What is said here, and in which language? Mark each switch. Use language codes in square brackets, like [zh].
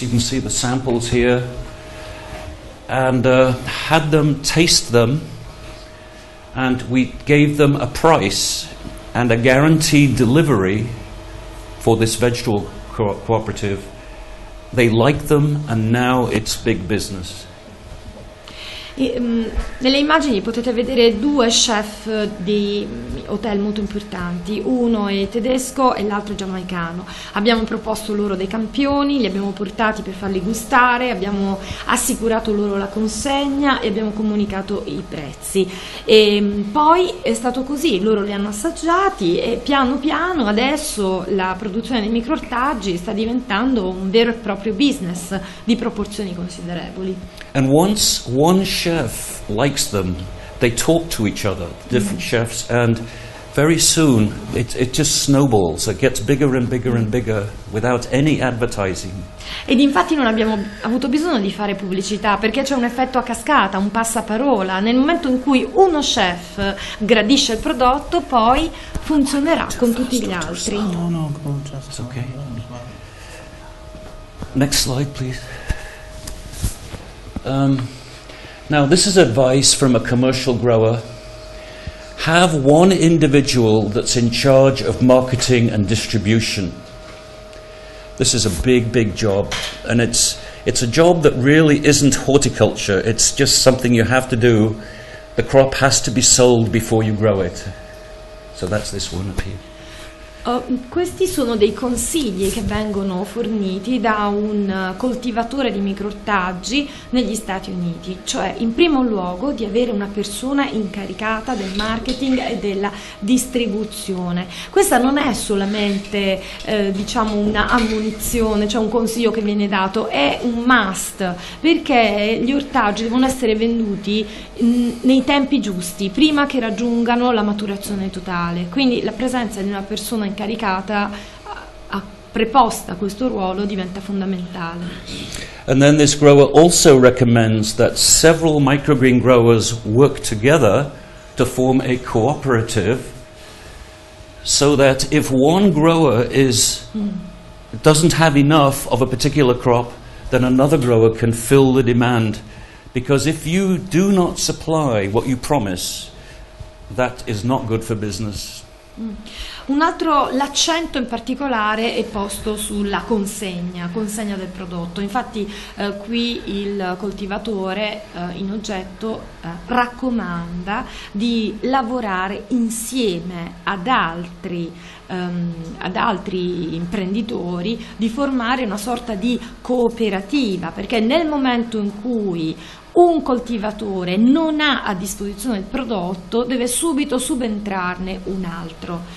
[en] You can see the samples here, and had them taste them, and we gave them a price and a guaranteed delivery for this vegetable cooperative. They like them and now it's big business. [it] Nelle immagini potete vedere due chef di hotel molto importanti, uno è tedesco e l'altro è giamaicano. Abbiamo proposto loro dei campioni, li abbiamo portati per farli gustare, abbiamo assicurato loro la consegna e abbiamo comunicato i prezzi. E poi è stato così, loro li hanno assaggiati e piano piano adesso la produzione dei microortaggi sta diventando un vero e proprio business di proporzioni considerevoli. [en] And once one chef likes them, they talk to each other, different chefs, and very soon it just snowballs, it gets bigger and bigger and bigger without any advertising. [it] Ed infatti non abbiamo avuto bisogno di fare pubblicità, perché c'è un effetto a cascata, un passaparola. Nel momento in cui uno chef gradisce il prodotto, poi funzionerà con tutti gli altri. [en] It's okay. Next slide, please. Now, this is advice from a commercial grower. Have one individual that's in charge of marketing and distribution. This is a big, big job, and it's a job that really isn't horticulture. It's just something you have to do. The crop has to be sold before you grow it. So that's this one up here. [it] Questi sono dei consigli che vengono forniti da un coltivatore di microortaggi negli Stati Uniti, cioè in primo luogo di avere una persona incaricata del marketing e della distribuzione. Questa non è solamente diciamo una ammonizione, cioè un consiglio che viene dato, è un must, perché gli ortaggi devono essere venduti nei tempi giusti, prima che raggiungano la maturazione totale. Quindi la presenza di una persona incaricata, a preposta questo ruolo, diventa fondamentale. [en] And then this grower also recommends that several microgreen growers work together to form a cooperative, so that if one grower doesn't have enough of a particular crop, then another grower can fill the demand. Because if you do not supply what you promise, that is not good for business. [it] L'accento in particolare è posto sulla consegna del prodotto. Infatti qui il coltivatore in oggetto raccomanda di lavorare insieme ad altri imprenditori, di formare una sorta di cooperativa, perché nel momento in cui un coltivatore non ha a disposizione il prodotto, deve subito subentrarne un altro.